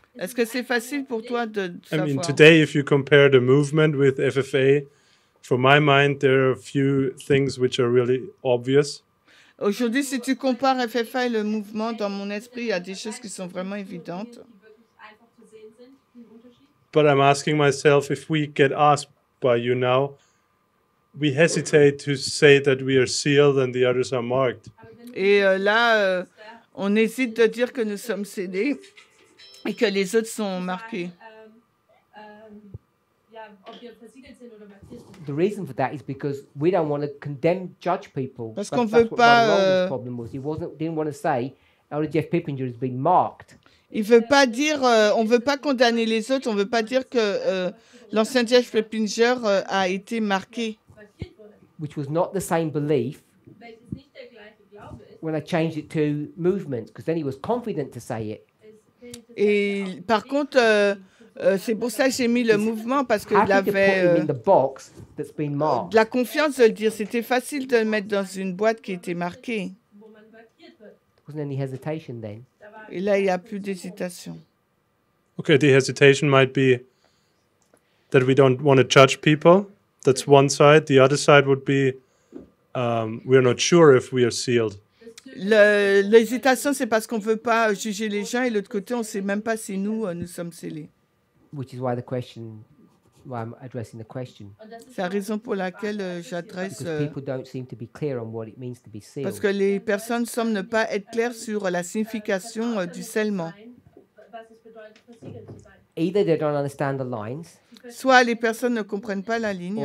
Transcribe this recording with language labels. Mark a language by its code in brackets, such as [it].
[fr] Est-ce que c'est facile pour toi de savoir? [en] I mean, today, if you compare the movement with FFA, for my mind, there are a few things which are really obvious. [fr] Aujourd'hui, si tu compares FFA et le mouvement, dans mon esprit, il y a des choses qui sont vraiment évidentes. [en] But I'm asking myself, if we get asked by you now, we hesitate to say that we are sealed and the others are marked. [fr] Et là, on hésite de dire que nous sommes scellés et que les autres sont marqués. [en] The reason for that is because we don't want to condemn, judge people. [fr] Parce qu'on veut pas. [en] Problem was, didn't want to say, LDF Pippinger has been marked. [fr] Il veut pas dire, on veut pas condamner les autres. On veut pas dire que l'ancien Jeff Pippinger a été marqué. [en] Which was not the same belief. When I changed it to movement, because then he was confident to say it. [fr] Et par contre. C'est pour ça que j'ai mis le mouvement, parce qu'il avait de la confiance de le dire. C'était facile de le mettre dans une boîte qui était marquée. [en] Wasn't any hesitation then. [fr] Et là, il n'y a plus d'hésitation. [en] OK, the hesitation might be that we don't want to judge people. That's one side. The other side would be we are not sure if we are sealed. [fr] L'hésitation, c'est parce qu'on ne veut pas juger les gens. Et l'autre côté, on ne sait même pas si nous, nous sommes scellés. [en] Which is why the question, why I'm addressing the question. [fr] C'est la raison pour laquelle j'adresse. [en] Because people don't seem to be clear on what it means to be sealed. [fr] Parce que les personnes semblent ne pas être claires sur la signification du scellement. [en] Either they don't understand the lines. [fr] Soit les personnes ne comprennent pas la ligne.